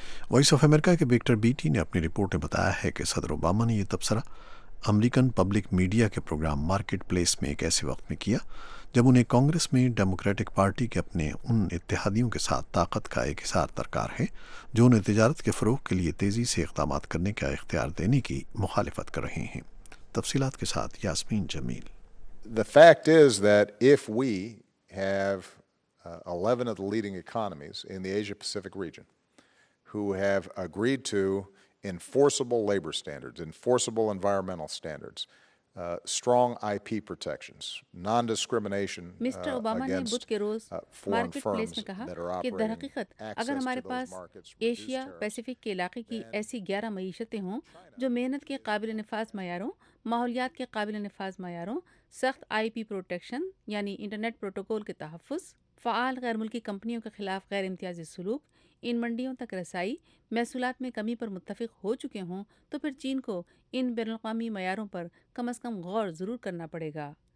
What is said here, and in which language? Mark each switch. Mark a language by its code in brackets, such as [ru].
[ur] Voice of America کے Victor بیٹی نے اپنی رپورٹ میں بتایا ہے کہ صدر اوباما نے یہ تبصرہ امریکن پبلک میڈیا کے پروگرام مارکیٹ پلیس میں ایک ایسے وقت میں کیا جب انہیں کانگریس میں ڈیموکریٹک پارٹی کے اپنے ان اتحادیوں کے ساتھ طاقت کا ایک حصار درکار ہے جو انہیں تجارت کے فروغ کے لیے تیزی سے اقدامات کرنے کا اختیار دینے کی مخالفت کر رہے ہیں. تفصیلات کے ساتھ یاسمین جمیل. [en] The fact is that if we have 11 of the leading economies in the Asia Pacific region who have agreed to enforceable labor standards, enforceable environmental standards, strong IP protections, non-discrimination against foreign firms. [ur] Mister Obama نے بدھ کے روز market place میں کہا کہ در حقیقت اگر ہمارے پاس Asia Pacific کے علاقے کی ایسی 11 معیشتیں ہوں جو محنت کے قابل نفاذ معیاروں, ماحولیات کے قابل نفاذ معیاروں, سخت آئی پی پروٹیکشن یعنی انٹرنیٹ پروٹوکول کے تحفظ, فعال غیر ملکی کمپنیوں کے خلاف غیر امتیازی سلوک, ان منڈیوں تک رسائی, محصولات میں کمی پر متفق ہو چکے ہوں تو پھر چین کو ان بین الاقوامی معیاروں پر کم از کم غور ضرور کرنا پڑے گا.